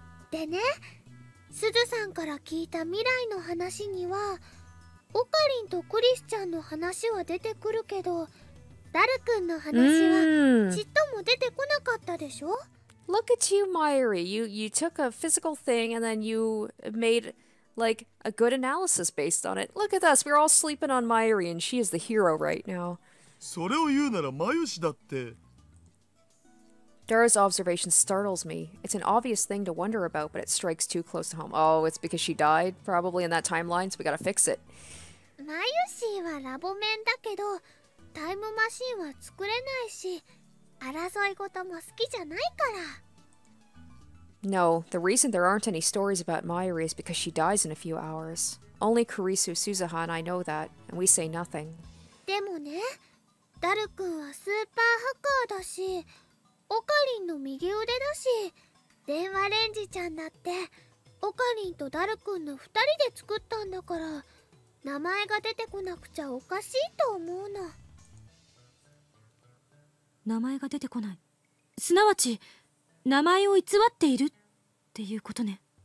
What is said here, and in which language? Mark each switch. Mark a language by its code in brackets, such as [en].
[ja] でね、スズさんから聞いた未来の話には、オカリンとクリスちゃんの話は出てくるけど、ダル君の話はちっとも出てこなかったでしょ。 [en] Look at you, Mayuri. You took a physical thing and then you made like a good analysis based on it. Look at us. We're all sleeping on Mayuri and she is the hero right now. [ja] それを言うならマユシだって。 [en] Dara's observation startles me. It's an obvious thing to wonder about, but it strikes too close to home. Oh, it's because she died, probably in that timeline, so we gotta fix it. [ja] Mayushi はラボメンだけど、タイムマシンは作れないし、争い事も好きじゃないから。 [en] No, the reason there aren't any stories about Mayuri is because she dies in a few hours. Only Kurisu, Suzuha, and I know that, and we say nothing. But... Daru-kun is a super hacker, and... Okarin's right arm, and... Denwa Renji-chan, and... Okarin and Daru-kun are the two of them, so... I don't know if the name comes out, it's weird. The name doesn't come out. [ja] すなわち、 名前を偽っているっていうことね。